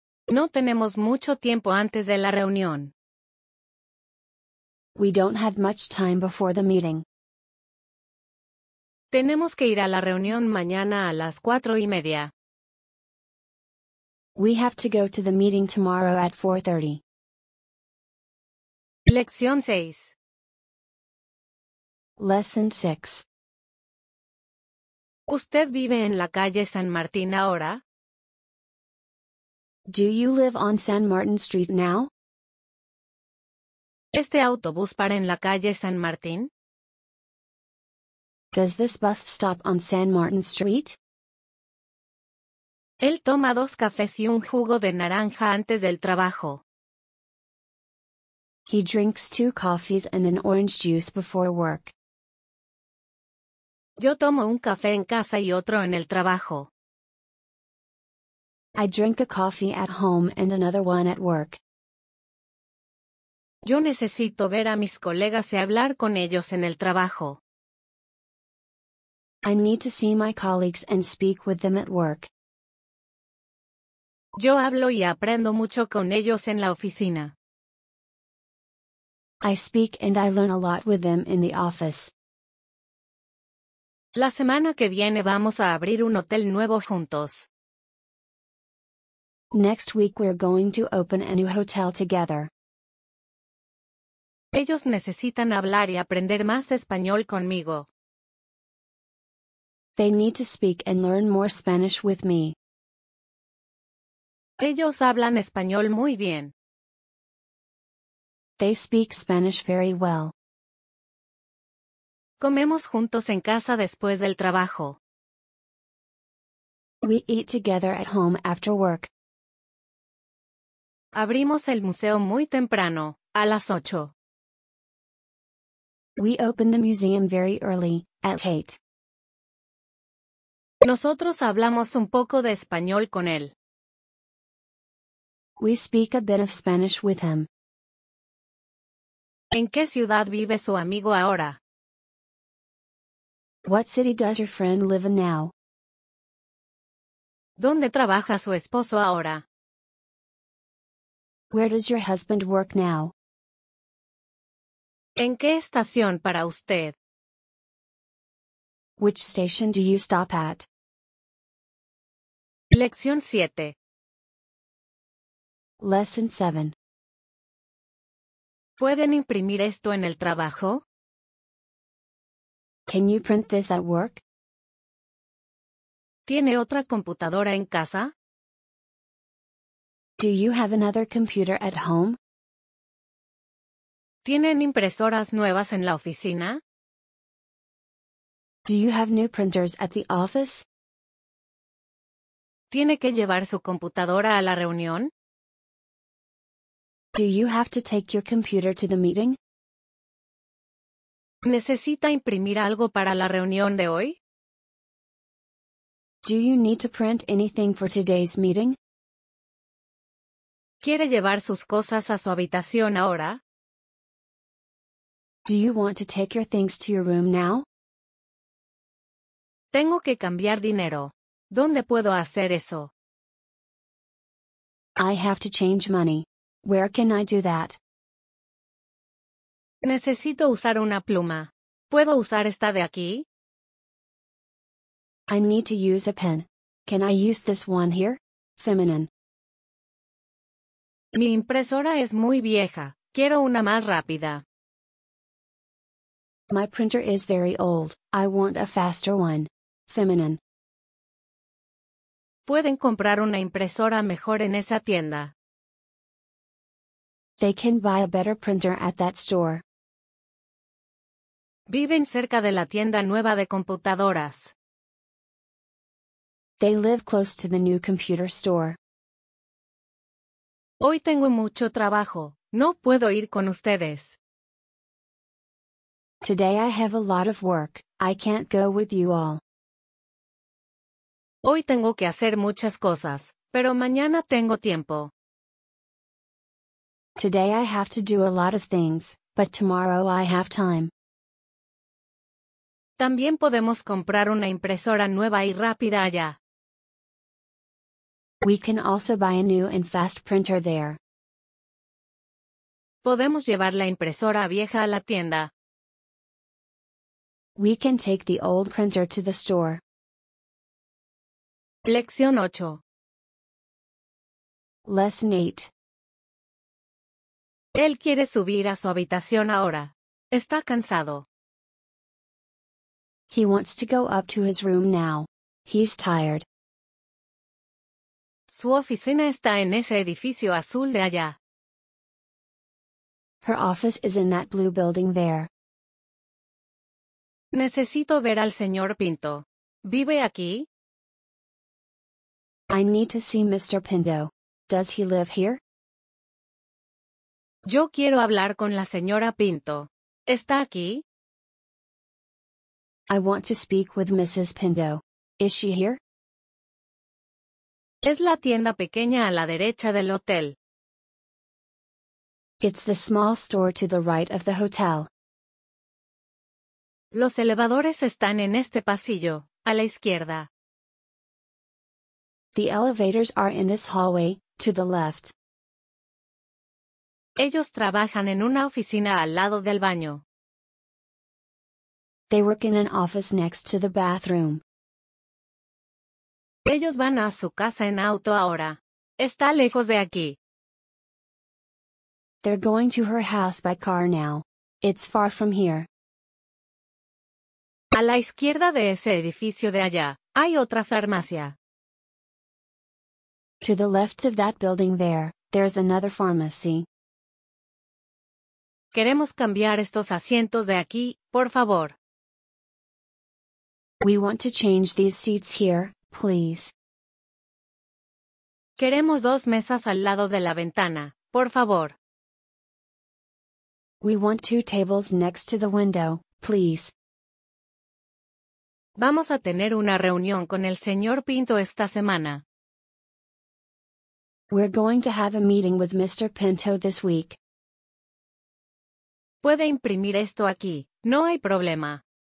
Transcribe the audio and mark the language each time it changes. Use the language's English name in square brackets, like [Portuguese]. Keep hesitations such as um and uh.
[Spanish] No tenemos mucho tiempo antes de la reunión. [English] We don't have much time before the meeting. [Spanish] Tenemos que ir a la reunión mañana a las cuatro y media. [English] We have to go to the meeting tomorrow at 4:30. [Spanish] Lección 6. [English] Lesson 6. [Spanish] ¿Usted vive en la calle San Martín ahora? [English] Do you live on San Martin Street now? [Spanish] ¿Este autobús para en la calle San Martín? [English] Does this bus stop on San Martin Street? [Spanish] Él toma dos cafés y un jugo de naranja antes del trabajo. [English] He drinks two coffees and an orange juice before work. [Spanish] Yo tomo un café en casa y otro en el trabajo. [English] I drink a coffee at home and another one at work. [Spanish] Yo necesito ver a mis colegas y hablar con ellos en el trabajo. [English] I need to see my colleagues and speak with them at work. [Spanish] Yo hablo y aprendo mucho con ellos en la oficina. [English] I speak and I learn a lot with them in the office. [Spanish] La semana que viene vamos a abrir un hotel nuevo juntos. [English] Next week we're going to open a new hotel together. [Spanish] Ellos necesitan hablar y aprender más español conmigo. [English] They need to speak and learn more Spanish with me. [Spanish] Ellos hablan español muy bien. [English] They speak Spanish very well. [Spanish] Comemos juntos en casa después del trabajo. [English] We eat together at home after work. [Spanish] Abrimos el museo muy temprano, a las ocho. [English] 8. [Spanish] Nosotros hablamos un poco de español con él. [English] We speak a bit of Spanish with him. [Spanish] ¿En qué ciudad vive su amigo ahora? [English] What city does your friend live in now? [Spanish] ¿Dónde trabaja su esposo ahora? [English] Where does your husband work now? [Spanish] ¿En qué estación para usted? [English] Which station do you stop at? [Spanish] Lección 7. [English] Lesson 7 [Spanish] ¿Pueden imprimir esto en el trabajo? [English] Can you print this at work? [Spanish] ¿Tiene otra computadora en casa? [English] Do you have another computer at home? [Spanish] ¿Tienen impresoras nuevas en la oficina? [English] Do you have new printers at the office? [Spanish] ¿Tiene que llevar su computadora a la reunión? [English] Do you have to take your computer to the meeting? [Spanish] ¿Necesita imprimir algo para la reunión de hoy? [English] Do you need to print anything for today's meeting? [Spanish] ¿Quiere llevar sus cosas a su habitación ahora? [English] Do you want to take your things to your room now? [Spanish] Tengo que cambiar dinero. ¿Dónde puedo hacer eso? [English] I have to change money. Where can I do that? [Spanish] Necesito usar una pluma. ¿Puedo usar esta de aquí? [English] I need to use a pen. Can I use this one here? Feminine. [Spanish] Mi impresora es muy vieja. Quiero una más rápida. [English] My printer is very old. I want a faster one. Feminine. [Spanish] Pueden comprar una impresora mejor en esa tienda. [English] They can buy a better printer at that store. [Spanish] Viven cerca de la tienda nueva de computadoras. [English] They live close to the new computer store. [Spanish] Hoy tengo mucho trabajo, no puedo ir con ustedes. [English] Today I have a lot of work, I can't go with you all. [Spanish] Hoy tengo que hacer muchas cosas, pero mañana tengo tiempo. [English] Today I have to do a lot of things, but tomorrow I have time. [Spanish] También podemos comprar una impresora nueva y rápida allá. [English] We can also buy a new and fast printer there. [Spanish] Podemos llevar la impresora vieja a la tienda. [English] We can take the old printer to the store. [Spanish] Lección 8. [English] Lesson 8. [Spanish] Él quiere subir a su habitación ahora. Está cansado. [English] He wants to go up to his room now. He's tired. [Spanish] Su oficina está en ese edificio azul de allá. [English] Her office is in that blue building there. [Spanish] Necesito ver al señor Pinto. ¿Vive aquí? [English] I need to see Mr. Pinto. Does he live here? [Spanish] Yo quiero hablar con la señora Pinto. ¿Está aquí? [English] I want to speak with Mrs. Pinto. Is she here? [Spanish] Es la tienda pequeña a la derecha del hotel. [English] It's the small store to the right of the hotel. [Spanish] Los elevadores están en este pasillo, a la izquierda. [English] The elevators are in this hallway, to the left. [Spanish] Ellos trabajan en una oficina al lado del baño. [English] They work in an office next to the bathroom. [Spanish] Ellos van a su casa en auto ahora. Está lejos de aquí. [English] They're going to her house by car now. It's far from here. [Spanish] A la izquierda de ese edificio de allá, hay otra farmacia. [English] To the left of that building there, there's another pharmacy. [Spanish] Queremos cambiar estos asientos de aquí, por favor. [English] We want to change these seats here, please. [Spanish] Queremos dos mesas al lado de la ventana, por favor. [English] We want two tables next to the window, please. [Spanish] Vamos a tener una reunión con el señor Pinto esta semana. [English] We're going to have a meeting with Mr. Pinto this week. [Spanish] Puede imprimir esto aquí, no hay problema.